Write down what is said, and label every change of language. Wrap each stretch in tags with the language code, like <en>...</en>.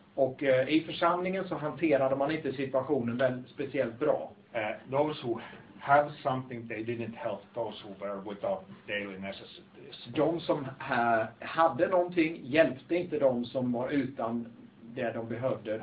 <sv>Och i församlingen så hanterade man inte situationen väl speciellt bra.</sv> <en>Those who have something they didn't help those who were without daily necessities.</en> <sv>De som hade någonting hjälpte inte de som var utan det de behövde.</sv>